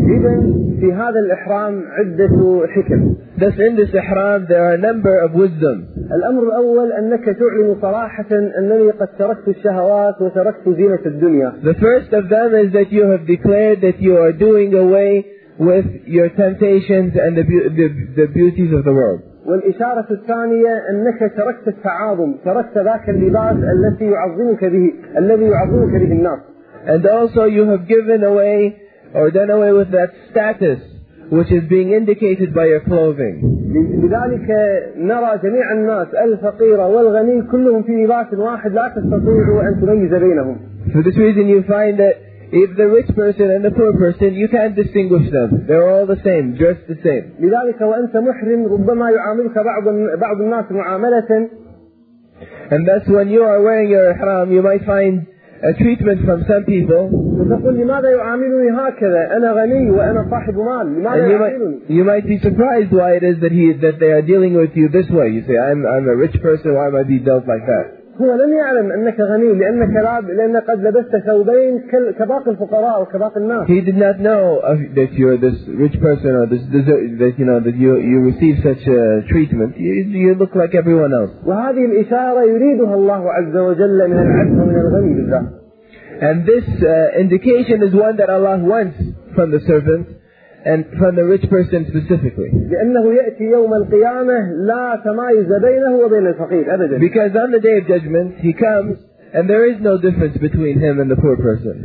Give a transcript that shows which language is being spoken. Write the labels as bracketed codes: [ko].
[ar] إذن في هذا الإحرام عدة حكم. [en] Thus in this ihram there are a number of wisdom. [ar] الأمر الأول أنك تعلم صراحة أنني قد تركت الشهوات وتركت زينة الدنيا. [en] The first of them is that you have declared that you are doing away with your temptations and the beauties of the world. [ar] والإشارة الثانية أنك تركت التعاظم، تركت ذاك اللباس الذي يعظمك به الناس. [en] And also you have given away or done away with that status which is being indicated by your clothing. [ar] لذلك نرى جميع الناس الفقيرة والغني كلهم في لباس واحد لا تستطيع أن تميز بينهم. [en] For this reason you find that if the rich person and the poor person, you can't distinguish them. They're all the same, dressed the same. [ar] لذلك وأنت محرم ربما يعاملك بعض الناس معاملة. [en] And thus when you are wearing your ihram, you might find a treatment from some people. You might be surprised why it is that they are dealing with you this way. You say, I'm a rich person, why am I being dealt like that? [ar] هو لم يعلم أنك غني لأنك قد لبست ثوبين كباقي الفقراء وكباقي الناس. [en] He did not know that you're this rich person or that you receive such a treatment. You look like everyone else. [ar] وهذه الإشارة يريدها الله عز وجل من العبد ومن الغني بالذات. [en] And this indication is one that Allah wants from the servant and from the rich person specifically. Because on the day of judgment, he comes and there is no difference between him and the poor person.